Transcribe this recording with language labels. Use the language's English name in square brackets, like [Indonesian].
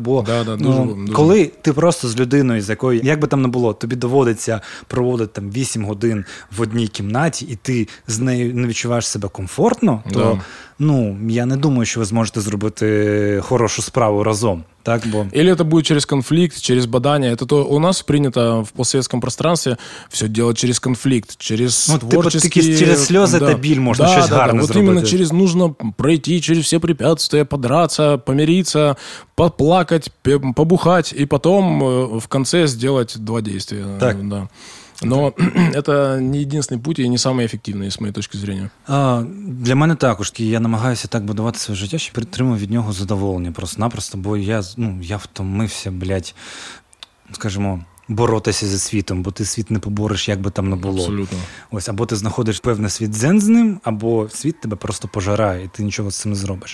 [Ukrainian] Бо [Russian] да, да, ну, [Ukrainian] дуже. Коли ти просто з людиною, з якою, як би там не було, тобі доводиться проводити там 8 годин в одній кімнаті, і ти з нею не відчуваєш себе комфортно, то [Russian] да. [Ukrainian] ну, я не думаю, що ви зможете зробити хорошу справу разом. Так, бо... [Russian] Или это будет через конфликт, через бадання. Это то у нас принято в постсоветском пространстве все делать через конфликт, через творческие... [Ukrainian] Ну, через сльози та біль можна щось гарне зробити. [Russian] Вот именно через нужно пройти через все препятствия, подраться, помириться, поплакать, побухать, и потом в конце сделать два действия. [Ukrainian] Так. [Russian] Да. Но это не единственный путь и не самый эффективный, с моей точки зрения. [Ukrainian] Для мене також. Я намагаюся так будувати своє життя, щоб отримав від нього задоволення просто-напросто, бо я, ну, я втомився, блядь, скажімо, боротися зі світом, бо ти світ не побориш, як би там не було. Абсолютно. Ось, або ти знаходиш певний світ дзен з ним, або світ тебе просто пожирає, і ти нічого з цим не зробиш.